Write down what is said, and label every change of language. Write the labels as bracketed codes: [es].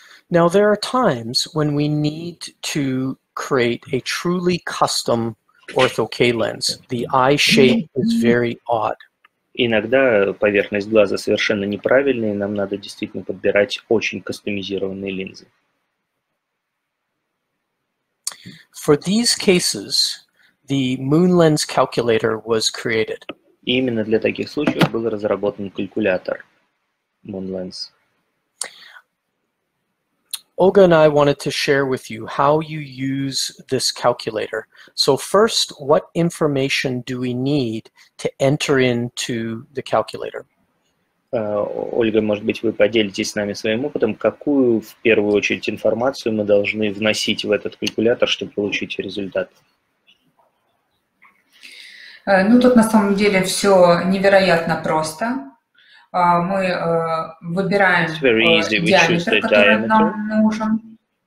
[en] Now there are times when we need to create a truly custom ortho-K lens. The eye shape is very odd. [ru] Иногда поверхность глаза совершенно неправильная, и нам надо действительно подбирать очень кастомизированные линзы. [en] For these cases, the MoonLens calculator was created. [ru] И именно для таких случаев был разработан калькулятор MoonLens. [en] Olga and I wanted to share with you how you use this calculator. So first, what information do we need to enter into the calculator? [ru] Ольга, может быть, вы поделитесь с нами своим опытом, какую в первую очередь информацию мы должны вносить в этот калькулятор, чтобы получить результат? Ну, тут на самом деле все невероятно просто. Мы выбираем диаметр, который нам нужен.